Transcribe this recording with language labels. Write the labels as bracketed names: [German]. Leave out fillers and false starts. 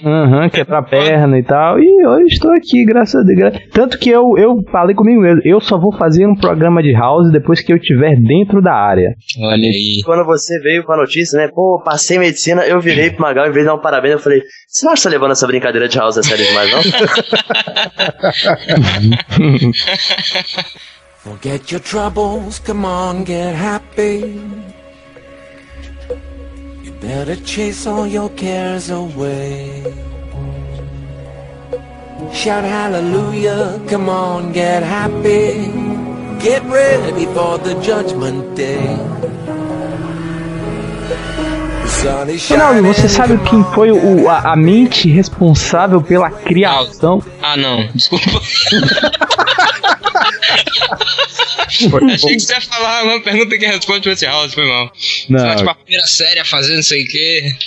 [Portuguese] Aham, quebrar a perna e tal, e hoje estou aqui, graças a Deus, tanto que eu falei comigo mesmo, eu só vou fazer um programa de House depois que eu estiver dentro da área. Olha aí. Quando você veio com a notícia, né? Pô, passei medicina, eu virei pro Magal, em vez de dar um parabéns, eu falei, você não acha que tá levando essa brincadeira de House a sério demais, não? [English] Forget your troubles, come on, get happy. You better chase all your cares away. Shout hallelujah, come on, get happy. Get ready for the judgment day. [Portuguese] Ronaldo, você sabe quem foi a mente responsável pela criação? Ah, não, desculpa. Achei que você ia falar uma pergunta que responde pra esse House, foi mal. Não. Tipo, a primeira série a fazer não sei o quê.